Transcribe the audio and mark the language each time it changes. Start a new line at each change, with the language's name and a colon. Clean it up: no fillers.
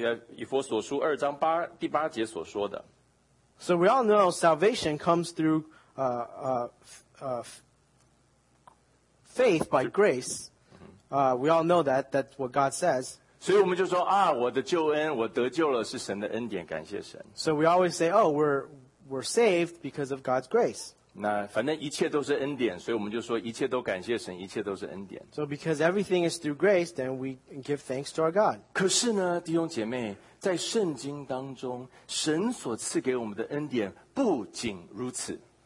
Chinese: 所以这是从神来的恩典,这是以弗所书二章八,第八节所说的。
English: So we all know salvation comes through faith by grace. We all know that, that's what God says.
Chinese: 所以我们就说,我的救恩,我得救了,是神的恩典,感谢神。
English: So we always say, oh, we're saved because of God's grace.
Chinese: 那反正一切都是恩典,所以我们就说一切都感谢神,一切都是恩典。
English: So because everything is through grace, then we give thanks to our God.
Chinese: 可是呢,弟兄姐妹, 在圣经当中,神所赐给我们的恩典不仅如此。